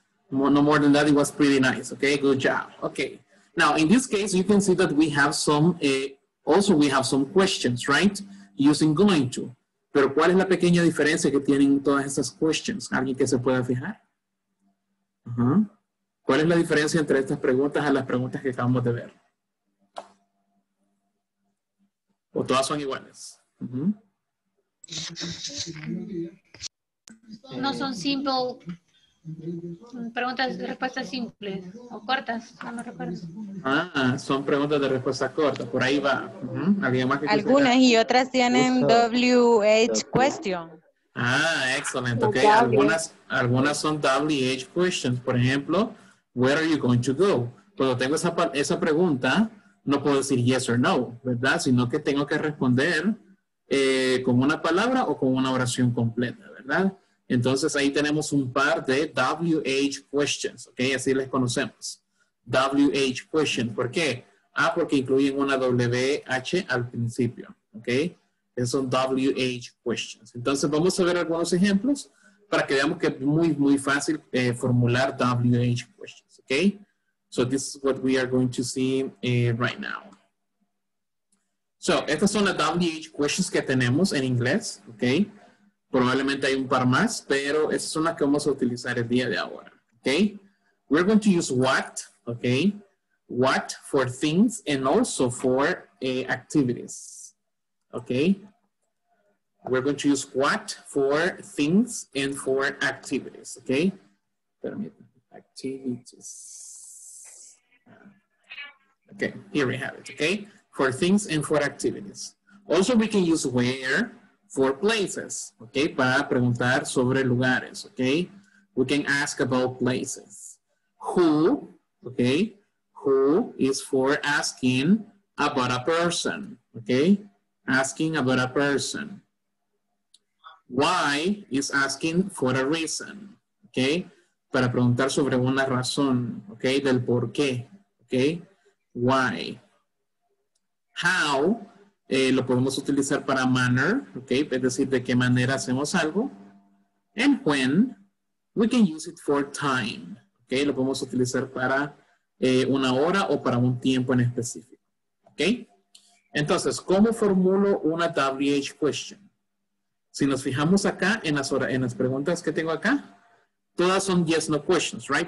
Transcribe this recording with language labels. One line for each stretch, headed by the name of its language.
English: No more than that, it was pretty nice, okay? Good job, okay. Now, in this case, you can see that we have some, also we have some questions, right? Using going to.
Spanish: Pero ¿cuál es la pequeña diferencia que tienen todas esas questions? ¿Alguien que se pueda fijar? Uh-huh. ¿Cuál es la diferencia entre estas preguntas a las preguntas que acabamos de ver? ¿O todas son iguales? Uh-huh. No son simple. Preguntas de respuesta simple o cortas, no recuerdo. Ah, son preguntas de respuesta corta. Por ahí va. Uh-huh. ¿Alguien más que algunas quisiera? Y otras tienen WH question. Ah, excelente. Okay. Algunas son WH questions. Por ejemplo,
English: where are you going to go?
Spanish: Cuando tengo esa pregunta, no puedo decir yes or no, ¿verdad? Sino que tengo que responder con una palabra o con una oración completa, ¿verdad? Entonces ahí tenemos un par de WH questions, ¿ok? Así les conocemos. WH questions, ¿por qué? Ah, porque incluyen una WH al principio, ¿ok? Esos son WH questions. Entonces vamos a ver algunos ejemplos para que veamos que es muy, muy fácil formular WH questions, ¿ok?
English: So this is what we are going to see right now.
Spanish: So, estas son las WH questions que tenemos en inglés, ¿ok? Probablemente hay un par más, pero esas son las que vamos a utilizar el día de ahora, ¿ok?
English: We're going to use what, ¿ok? What for things and also for activities, ¿ok? We're going to use what for things and for activities, ¿ok?
Spanish: Permítanme, activities.
English: Ok, here we have it, ¿ok? For things and for activities. Also, we can use where for places, okay?
Spanish: Para preguntar sobre lugares,
English: okay? We can ask about places. Who, okay? Who is for asking about a person, okay? Asking about a person. Why is asking for a reason, okay?
Spanish: Para preguntar sobre una razón, okay? Del por qué, okay? Why. How, lo podemos utilizar para manner, okay? Es decir, de qué manera hacemos algo.
English: And when, we can use it for time, okay?
Spanish: Lo podemos utilizar para una hora o para un tiempo en específico, okay? Entonces, ¿cómo formulo una WH question? Si nos fijamos acá en las, en las preguntas que tengo acá, todas son yes, no questions, right?